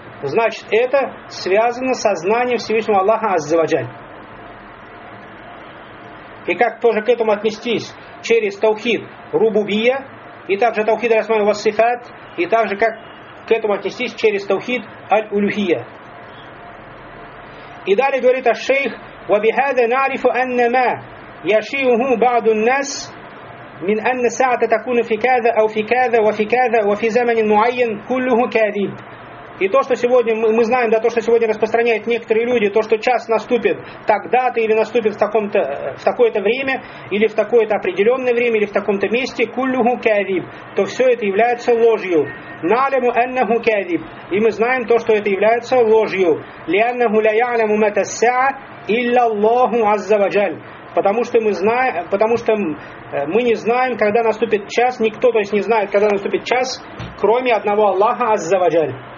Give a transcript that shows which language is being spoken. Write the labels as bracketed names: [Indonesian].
[Russian] Значит, это связано со знанием Всевышнего Аллаха Аззаваджаль. И как тоже к этому отнестись? Через таухид рубубия, и также таухид расмаю вассифат, и также как к этому отнестись через таухид аль-улюхия. И далее говорит аш-шейх: [Arabic] وبهذا نعرف أن ما يشيعه بعض الناس من أن الساعة تكون في كذا أو في كذا وفي كذا وفي زمن معين كله كاذب. [Russian] И то, что сегодня мы знаем, да, то, что сегодня распространяют некоторые люди, то, что час наступит тогда-то или наступит в такое-то время или в такое-то определенное время или в таком-то месте, [Arabic] كله كذب. [Russian] То все это является ложью. [Arabic] نعلم أنه كذب. [Russian] И мы знаем то, что это является ложью. [Arabic] لأنه لا يعلم متى الساعة إِلَّا اللَّهُ عَزَّ وَجَلَّ. [Russian] Потому что мы знаем, мы не знаем, когда наступит час, никто, то есть не знает, когда наступит час, кроме одного Аллаха Азза ва Джаль.